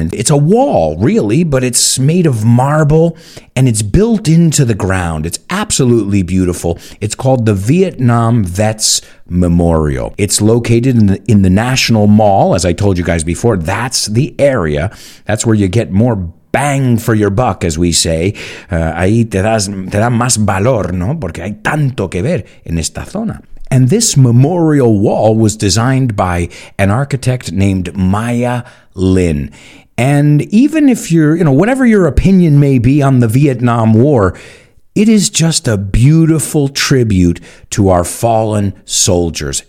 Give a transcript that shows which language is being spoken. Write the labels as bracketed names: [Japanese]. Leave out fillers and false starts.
[English] And it's a wall, really, but it's made of marble and it's built into the ground. It's absolutely beautiful. It's called the Vietnam Vets Memorial. It's located in the National Mall, as I told you guys before. That's the area. That's where you get more bang for your buck, as we say. [Spanish] Ahí te da más valor, ¿no? Porque hay tanto que ver en esta zona. [English] And this memorial wall was designed by an architect named Maya Lin. And even if you're, you know, whatever your opinion may be on the Vietnam War, it is just a beautiful tribute to our fallen soldiers.